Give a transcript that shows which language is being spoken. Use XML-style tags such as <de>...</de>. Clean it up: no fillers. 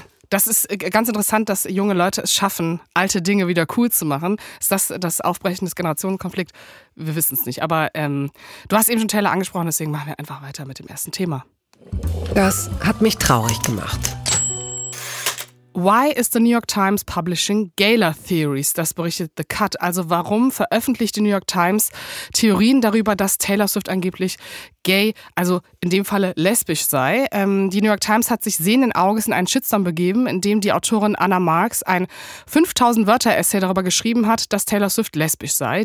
<de>Das ist ganz interessant, dass junge Leute es schaffen, alte Dinge wieder cool zu machen. Ist das das Aufbrechen des Generationenkonflikts? Wir wissen es nicht. Aber du hast eben schon Taylor angesprochen, deswegen machen wir einfach weiter mit dem ersten Thema. Das hat mich traurig gemacht.</de> <en>Why is the New York Times publishing Gaylor Theories?</en> <de>Das berichtet The Cut. Also warum veröffentlicht die New York Times Theorien darüber, dass Taylor Swift angeblich gay, also in dem Falle lesbisch sei? Die New York Times hat sich sehenden Auges in einen Shitstorm begeben, in dem die Autorin Anna Marx ein 5000-Wörter-Essay darüber geschrieben hat, dass Taylor Swift lesbisch sei.</de>